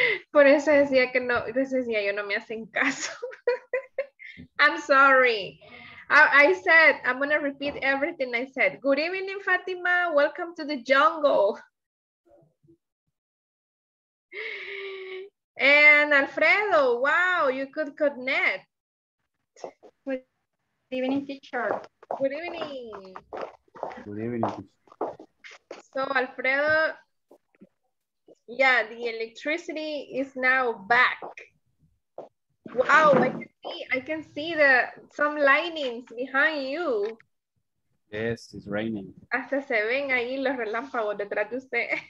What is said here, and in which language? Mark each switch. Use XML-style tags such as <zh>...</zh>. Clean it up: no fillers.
<es>Por eso decía que no, decía yo no me hacen caso.</es> <en>I'm sorry. I said I'm gonna repeat everything I said. Good evening, Fatima. Welcome to the jungle. And Alfredo, wow, you could connect. Good evening, teacher. Good evening. Good evening. So, Alfredo, yeah, the electricity is now back. Wow, I can see the some lightnings behind you. Yes, it's raining.</en> <es>Hasta se ven ahí los relámpagos detrás de usted.</es>